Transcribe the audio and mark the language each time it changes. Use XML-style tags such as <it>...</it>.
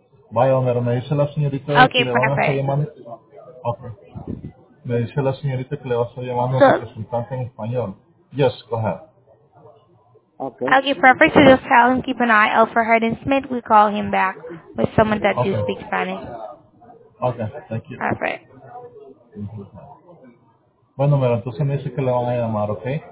<es>Vaya, Homero, me dice la señorita que le van a estar llamando. Okay. Me dice la señorita que le va a estar llamando al representante en español.</es> <en>Yes, go ahead. Okay, perfect. So just tell him, keep an eye out for Herndon Smith. We call him back with someone that does speak Spanish. Okay, thank you. Perfect.</en> <es>Bueno, Homero, entonces me dice que le van a llamar, ¿ok?</es>